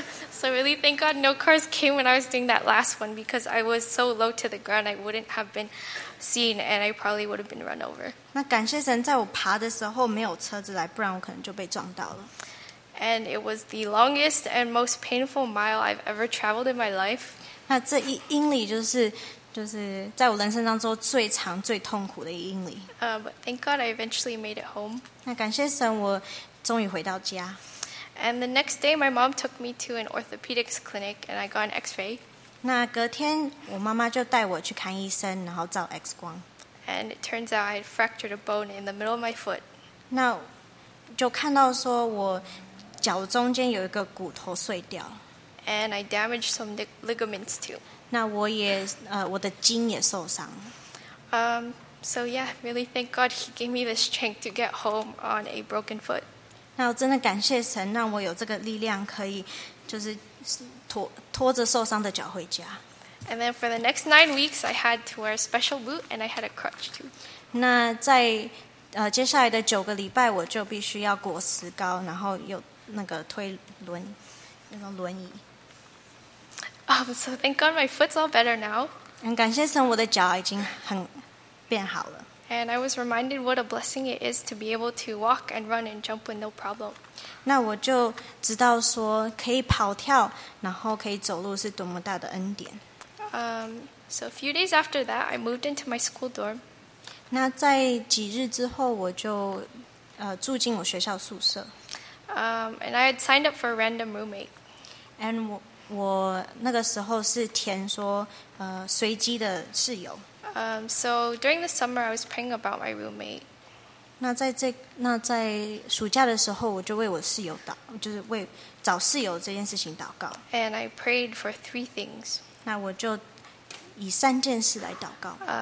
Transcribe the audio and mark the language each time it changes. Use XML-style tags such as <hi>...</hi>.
<en>So really, thank God, no cars came when I was doing that last one because I was so low to the ground, I wouldn't have been seen, and I probably would have been run over.</en> <zh>那感谢神，在我爬的时候没有车子来，不然我可能就被撞到了。</zh> <en>And it was the longest and most painful mile I've ever traveled in my life.</en> <zh>那这一英里就是在我人生当中最长最痛苦的一英里。</zh> <en>But thank God, I eventually made it home.</en> <zh>那感谢神，我终于回到家。</zh> <en>And the next day, my mom took me to an orthopedics clinic, and I got an X-ray.</en> <zh>那隔天，我妈妈就带我去看医生，然后照 X 光。</zh> <en>And it turns out I had fractured a bone in the middle of my foot.</en> <zh>那就看到说我脚中间有一个骨头碎掉。</zh> <en>And I damaged some ligaments too.</en> <zh>那我也我的筋也受伤。</zh> <en>So yeah, really thank God he gave me the strength to get home on a broken foot.</en> <zh>那我真的感谢神，让我有这个力量，可以就是拖着受伤的脚回家。</zh> <en>And then for the next 9 weeks, I had to wear a special boot and I had a crutch too.</en> <zh>那在接下来的九个礼拜，我就必须要裹石膏，然后有那个推轮那种轮椅。</zh> <en>So thank God my foot's all better now.</en> <zh>感谢神，我的脚已经很变好了。</zh> <en>And I was reminded what a blessing it is to be able to walk and run and jump with no problem.</en> <zh>那我就知道说可以跑跳，然后可以走路是多么大的恩典。</zh> <en>So a few days after that, I moved into my school dorm.</en> <zh>那在几日之后，我就住进我学校宿舍。</zh> <en>And I had signed up for a random roommate.</en> <zh>And 我那个时候是填说随机的室友。</zh> <en>So during the summer, I was praying about my roommate.</en> <zh>那在暑假的时候，我就为我室友祷，就是为找室友这件事情祷告。</zh> <en>And I prayed for three things.</en> <zh>那我就以三件事来祷告。</zh>